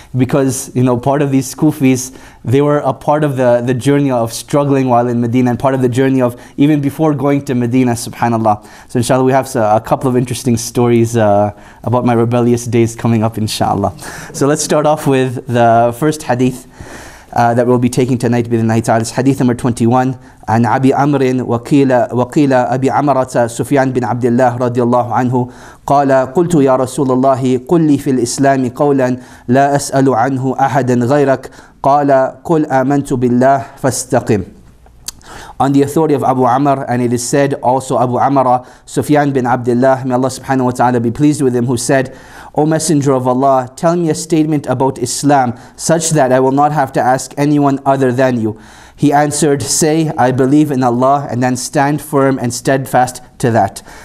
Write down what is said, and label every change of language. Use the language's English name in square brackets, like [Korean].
[English] Because, you know, part of these kufis, they were a part of the journey of struggling while in Medina. And part of the journey of even before going to Medina, subhanAllah. So inshallah, we have a couple of interesting stories about my rebellious days coming up, inshallah. So let's start off with the first hadith that we'll be taking tonight. It's hadith number 21. [Arabic] عن أبي عمر وقيل أبي عمرة سفيان بن عبد الله رضي الله عنه قال قلت يا رسول الله قل لي في الإسلام قولا لا أسأل عنه أحدا غيرك قال قل آمنت بالله فاستقم. [English] On the authority of Abu Amr, and it is said also Abu Amra, Sufyan bin Abdullah, may Allah subhanahu wa ta'ala be pleased with him, who said, O Messenger of Allah, tell me a statement about Islam such that I will not have to ask anyone other than you. He answered, say, I believe in Allah, and then stand firm and steadfast to that.